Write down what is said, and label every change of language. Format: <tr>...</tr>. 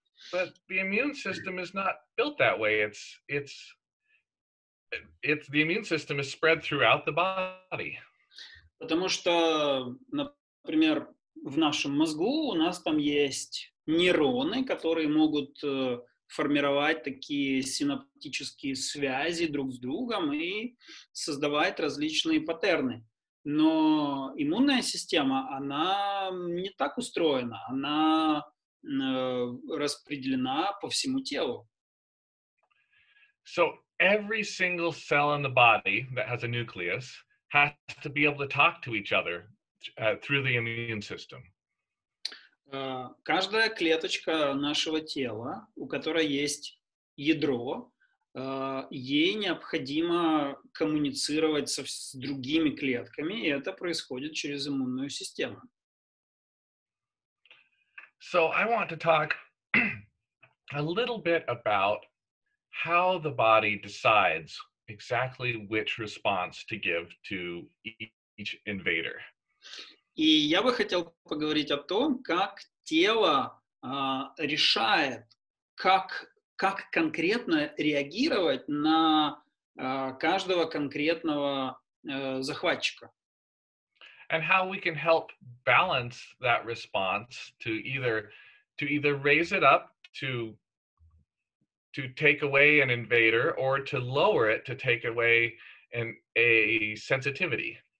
<en>But the immune system is not built that way. It's the immune system is spread throughout the body.</en> <ru>Потому что, например, в нашем мозгу у нас там есть нейроны, которые могут формировать такие синаптические связи друг с другом и создавать различные паттерны. Но иммунная система, она не так устроена, она распределена по всему телу.</ru> <en>So every single cell in the body that has a nucleus has to be able to talk to each other through the immune system.</en> <ru>Каждая клеточка нашего тела, у которой есть ядро, ей необходимо коммуницировать с другими клетками, и это происходит через иммунную систему.</ru> <en>So I want to talk a little bit about how the body decides exactly which response to give to each invader.</en> <ru>И я бы хотел поговорить о том, как тело решает, как конкретно реагировать на каждого конкретного захватчика.</ru> <en>And how we can help balance that response to either raise it up to take away an invader or to lower it to take away a sensitivity.</en>